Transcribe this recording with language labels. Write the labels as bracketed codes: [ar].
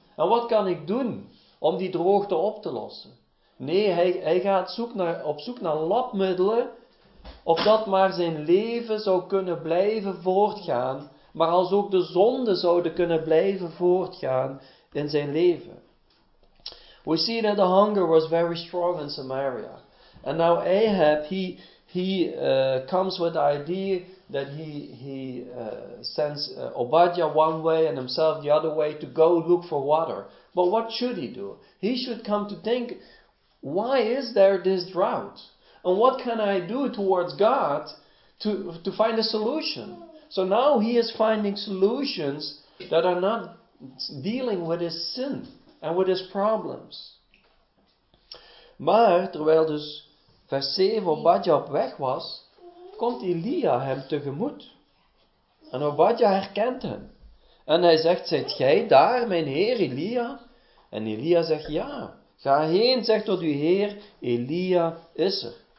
[nl] En wat kan ik doen om die droogte op te lossen? Nee, hij gaat op zoek naar labmiddelen, opdat maar zijn leven zou kunnen blijven voortgaan, maar als ook de zonden zouden kunnen blijven voortgaan in zijn leven. [en] We see that the hunger was very strong in Samaria. And now Ahab, he comes with the idea that he sends Obadja one way and himself the other way to go look for water. But what should he do? He should come to think, why is there this drought? And what can I do towards God to find a solution? So now he is finding solutions that are not dealing with his sin and with his problems. [nl] Maar terwijl dus vers 7 Obadja op weg was, komt Elia hem tegemoet. En Obadja herkent hem. En hij zegt, zijt gij daar, mijn heer Elia? En Elia zegt, ja. Ga heen, zegt tot uw heer, Elia is er.